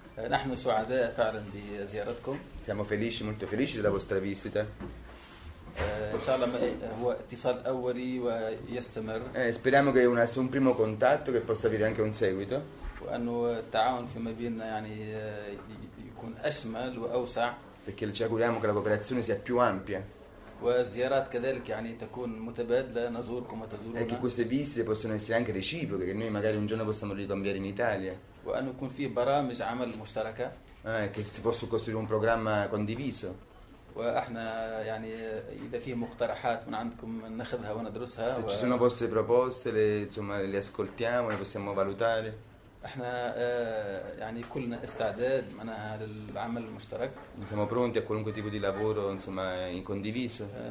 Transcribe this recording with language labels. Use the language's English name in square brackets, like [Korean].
[Arabic] نحن سعداء فعلا بزيارتكم. [Italian] Siamo felici, molto felici della vostra visita. [Arabic] ان شاء الله هو اتصال اولي ويستمر. [Italian] Speriamo che un primo contatto che possa avere anche un seguito. [Arabic] وانه التعاون فيما بيننا يعني يكون اشمل واوسع. [Italian] Perché ci auguriamo che la cooperazione sia più ampia. [Arabic] والزيارات كذلك يعني تكون متبادلة نزوركم وتزورونا. [Italian] Anche queste visite possono essere anche reciproche che noi magari un giorno possiamo ricambiare in Italia. [Arabic] وأن يكون فيه برامج عمل مشتركة. [Italian] Che si possa costruire un programma condiviso. [Arabic] وإحنا يعني إذا فيه مقترحات من عندكم نأخذها وندرسها. [Italian] Se ci sono vostre proposte le insomma le ascoltiamo le possiamo valutare. [Arabic] إحنا يعني كلنا استعداد معناها للعمل المشترك. [Italian] Siamo pronti a qualunque tipo di lavoro insomma in condiviso.